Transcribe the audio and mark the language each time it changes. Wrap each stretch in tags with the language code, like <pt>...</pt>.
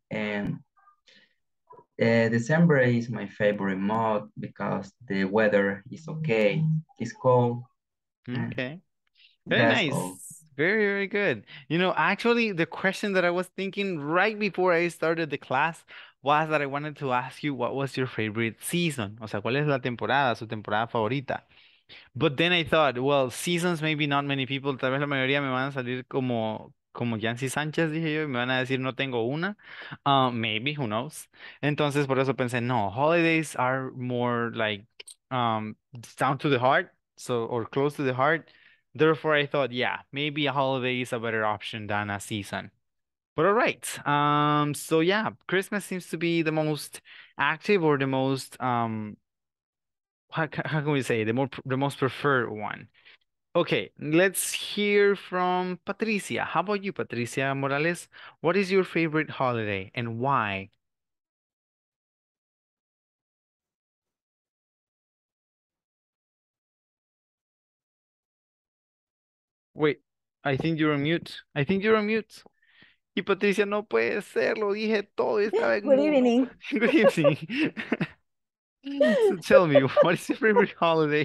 <en>And December is my favorite month because the weather is okay. It's cold. Okay. Very nice. Cold. Very, very good. You know, actually, the question that I was thinking right before I started the class was that I wanted to ask you what was your favorite season?</en> <es>O sea, ¿cuál es la temporada, su temporada favorita? But then I thought, well, seasons, maybe not many people, tal vez la mayoría me van a salir como Yancy Sánchez, dije yo, y me van a decir, no tengo una.</es> <en>Maybe, who knows? Entonces, por eso pensé, no, holidays are more like down to the heart, so, or close to the heart. Therefore, I thought, yeah, maybe a holiday is a better option than a season. But all right, so yeah, Christmas seems to be the most active or the most, how can we say, the most preferred one. Okay, let's hear from Patricia. How about you, Patricia Morales? What is your favorite holiday and why? Wait, I think you're on mute.</en> <es>Y Patricia, no puede ser, lo dije todo. Estaba en</es> <en>Good evening. Good evening. So tell me, what is your favorite holiday</en>